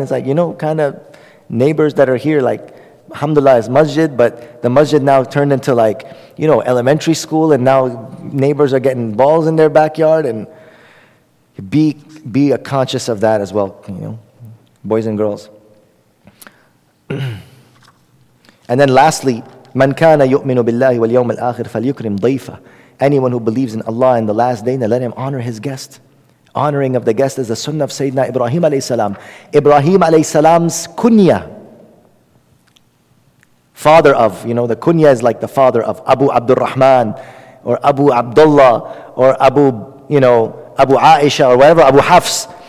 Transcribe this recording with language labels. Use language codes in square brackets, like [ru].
[en] It's like, you know, kind of neighbors that are here, like, alhamdulillah, it's masjid, but the masjid now turned into, like, you know, elementary school, and now neighbors are getting balls in their backyard, and be conscious of that as well, you know, boys and girls. And then lastly, [ar] مَنْ كَانَ يُؤْمِنُ بِاللَّهِ وَالْيَوْمِ الْآخِرِ فَلْيُكْرِمْ ضَيْفَ. [en] Anyone who believes in Allah and the last day, then let him honor his guest. Honoring of the guest is the sunnah of Sayyidina Ibrahim alayhi salam. Ibrahim alayhi salam's kunya, father of, you know, the kunya is like the father of Abu Abdurrahman or Abu Abdullah or Abu, you know, Abu Aisha or whatever, Abu Hafs.